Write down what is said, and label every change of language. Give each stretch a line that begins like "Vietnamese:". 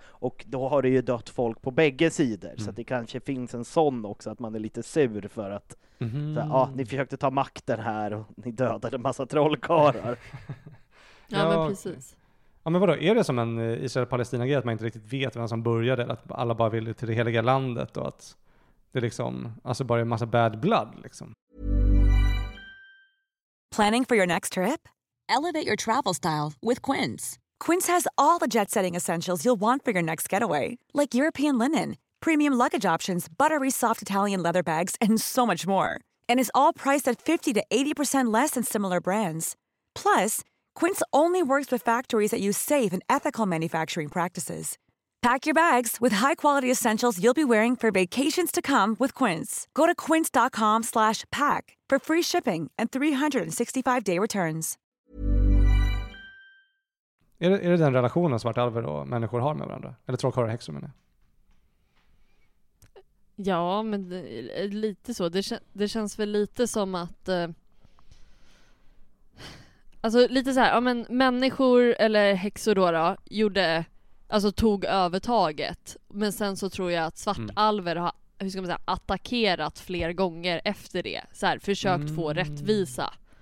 Swedish: Och då har det ju dött folk på bägge sidor. Mm. Så att det kanske finns en sån också, att man är lite sur för att ni försökte ta makten här och ni dödade en massa trollkarlar. Ja, men precis. Ja, men vadå? Är det som en Israel-Palestina-grej att man inte riktigt vet vem som började, att alla bara vill till det heliga landet och att det liksom, alltså bara är en massa
English: bad blood
Swedish: liksom?
English: Planning for your next trip? Elevate your travel style with Quince. Quince has all the jet-setting essentials you'll want for your next getaway, like European linen, premium luggage options, buttery soft Italian leather bags, and so much more. And it's all priced at 50 to 80% less than similar brands. Plus, Quince only works with factories that use safe and ethical manufacturing practices. Pack your bags with high-quality essentials you'll be wearing for vacations to come with Quince. Go to quince.com/pack for free shipping and 365-day returns.
Swedish: Är det den relationen Svarta Alver och människor har med varandra? Eller trollkarlar och häxor, menar jag? Ja, men det, lite så. Det känns väl lite som att... Alltså lite så här, ja men människor eller häxor då gjorde, alltså tog övertaget, men sen så tror jag att svartalver har, hur ska man säga, attackerat fler gånger efter det, så här, försökt få rättvisa.